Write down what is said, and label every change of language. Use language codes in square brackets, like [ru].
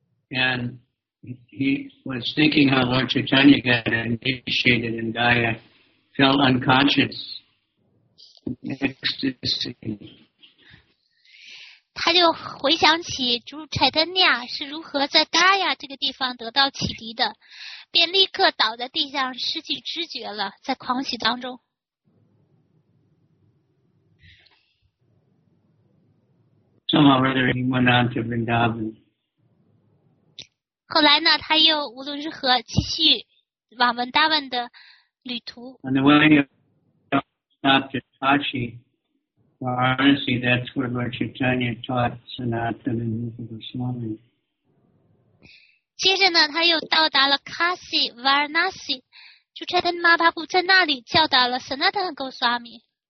[en] And he was thinking how Lord Chaitanya got initiated in Gaya, fell unconscious in ecstasy. [zh] 他就回想起主柴丹尼亚是如何在 Gaya 这个地方得到启迪的，便立刻倒在地上失去知觉了，在狂喜当中。 [en] Somehow or other, he went on to Vrindavan. [zh] 后来呢，他又无论如何继续往文达万的旅途。 [en] On the way up to Kashi, Varanasi, that's where Lord Chaitanya taught Sanatana and Rupa Goswami. [zh] 接着呢，他又到达了 Kashi, Varanasi, 主持人马巴布在那里教导了 Sanatana Goswami。